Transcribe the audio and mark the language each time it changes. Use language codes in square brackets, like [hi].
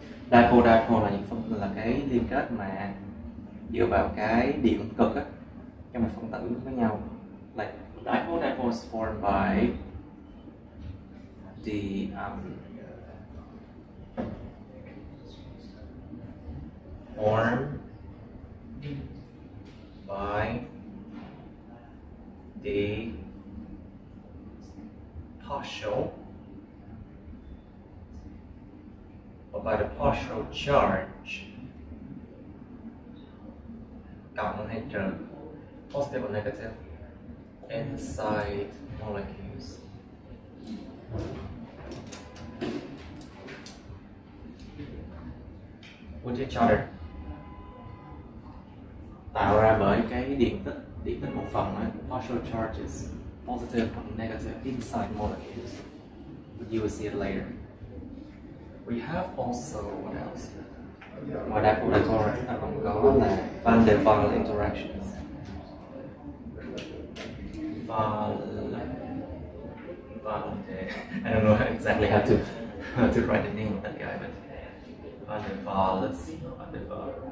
[vi] Dipole-dipole là những phân tử, là cái liên kết mà dựa vào cái điện cực á, trong một phân tử với nhau. [en] Like dipole-dipole is formed by the formed by the partial or by the partial charge cộng hay trừ positive or negative inside molecules. With each other. [vi] Tạo ra bởi cái điện tích một phần ấy, [en] partial charges, positive or negative inside molecules. You will see it later. We have also what else? [vi] Ngoài dipole dipole chúng ta còn có là van der Waal interactions. [en] I don't know exactly how to write the name of that guy, but van der Waal, let's see. Van der Waal.